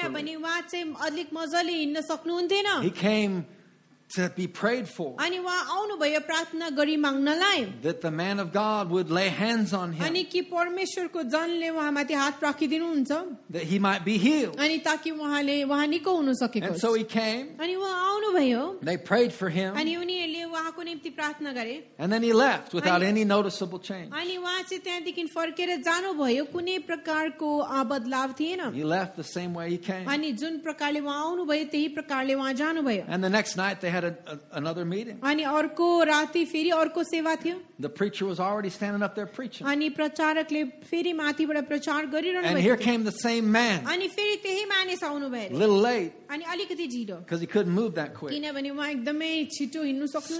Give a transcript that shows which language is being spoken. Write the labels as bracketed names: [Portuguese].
[Nepali] किनभने उहाँ चाहिँ अलिक मजाले hidden सक्नुहुन्थेन. [English] He came to be prayed for. [Nepali] अनि उहाँ आउनुभयो प्रार्थना गरी माग्नलाई. [English] That the man of God would lay hands on him. [Nepali] अनि कि परमेश्वरको जनले उहाँमाथि हात राखिदिनुहुन्छ. [English] That he might be healed. [Nepali] अनि ताकि उहाँले उहाँ निको हुन सकेको. [English] And so he came. [Nepali] अनि उहाँ आउनुभयो. [English] They prayed for him. [Nepali] अनि उनीहरूले उहाँको निम्ति प्रार्थना गरे. [English] And then he left without any noticeable change. [Nepali] अनि उहाँ चाहिँ त्यहाँदेखि फर्केर जानुभयो कुनै प्रकारको बदलाव थिएन. [English] He left the same way he came. [Nepali] अनि जुन प्रकारले उहाँ आउनुभयो त्यही प्रकारले उहाँ जानुभयो. [English] And the next night they had another meeting. [Nepali] अनि अर्को राति फेरि अर्को सेवा थियो. [English] The preacher was already standing up there preaching. [Nepali] अनि प्रचारकले फेरि माथिबाट प्रचार गरिरहनु भयो. [English] And here came the same man. [Nepali] अनि फेरि त्यही मानिस आउनुभयो. [English] Little late. [Nepali] अनि अलिकति झिडो. [English] Because he couldn't move that quick. [Nepali] किनभने उहाँ एकदमै छिटो हिँड्नु सक्नुहुन्न.